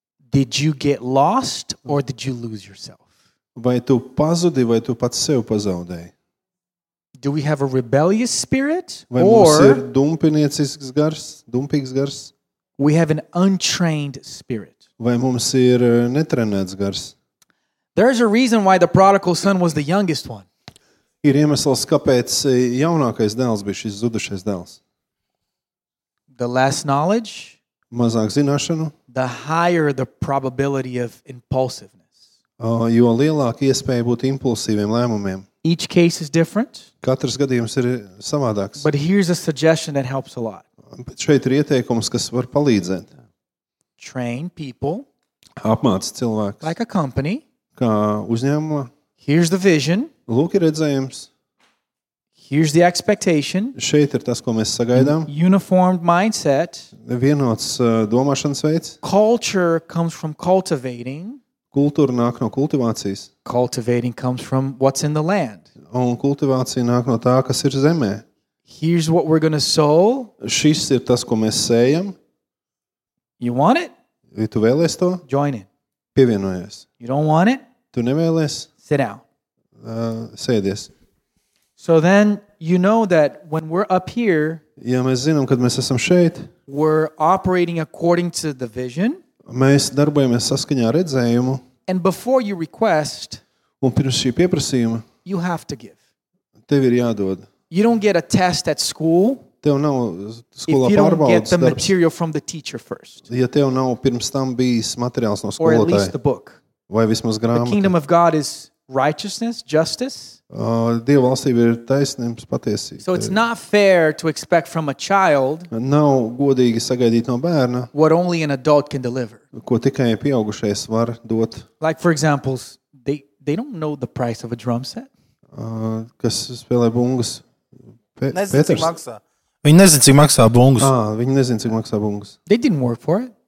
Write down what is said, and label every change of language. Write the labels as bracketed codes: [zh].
[en] Did you get lost or did you lose yourself? [lv] Vai tu pazudi vai tu pats sev pazaudēji? [en] Do we have a rebellious spirit [lv] vai [en] or [lv] mums ir dumpiniecisks gars, dumpīgs gars? [en] We have an untrained spirit. [lv] Vai mums ir netrenēts gars? [en] There's a reason why the prodigal son was the youngest one. [lv] Ir iemesls, kāpēc jaunākais dēls bija šis zudušais dēls. [en] The less knowledge, [lv] mazāk zināšanu, [en] the higher the probability of impulsiveness. [lv] Jo lielāka iespēja būt impulsīviem lēmumiem. [en] Each case is different. [lv] Katrs gadījums ir savādāks. [en] But here's a suggestion that helps a lot. [lv] Bet šeit ir ieteikums, kas var palīdzēt. [en] Train people. [lv] Apmāc cilvēkus. [en] Like a company. [lv] Kā uzņēmumā. [en] Here's the vision. [lv] Lūk ir redzējums. [en] Here's the expectation. [lv] Šeit ir tas, ko mēs sagaidām. [en] Uniformed mindset. [lv] Vienots domāšanas veids. [en] Culture comes from cultivating. [lv] Kultūra nāk no kultivācijas. [en] Cultivating comes from what's in the land. [lv] Un kultivācija nāk no tā, kas ir zemē. [en] Here's what we're going to sow. [lv] Šis ir tas, ko mēs sējam. [en] You want it? [lv] Vai tu vēlies to? [en] Join it. [lv] Pievienojies. [en] You don't want it? [lv] Tu nevēlies? [en] Sit down. [lv] Sēdies. [en] So then you know that when we're up here, [lv] ja mēs zinām, kad mēs esam šeit, [en] we're operating according to the vision. [lv] Mēs darbojamies saskaņā ar redzējumu. [en] And before you request, [lv] un pirms šī pieprasījuma, [en] you have to give. [lv] Tev ir jādod. [en] You don't get a test at school. [lv] Tev nav skolā pārbaudes darbs. [en] If you don't get the material from the teacher first. [lv] Ja tev nav pirms tam bijis materiāls no skolotāja. [en] Or at least the book. [lv] Vai vismaz grāmata. [en] The kingdom of God is righteousness, justice. [lv] Dieva valstība ir taisnības patiesība. [en] So it's not fair to expect from a child. [lv] Nav godīgi sagaidīt no bērna. [en] What only an adult can deliver. [lv] Ko tikai pieaugušais var dot. [en] Like for example, they don't know the price of a drum set. [lv] Kas spēlē bungus? Viņi nezin, cik maksā bungus. Viņi nezin, cik maksā bungus. [en] They didn't work for it.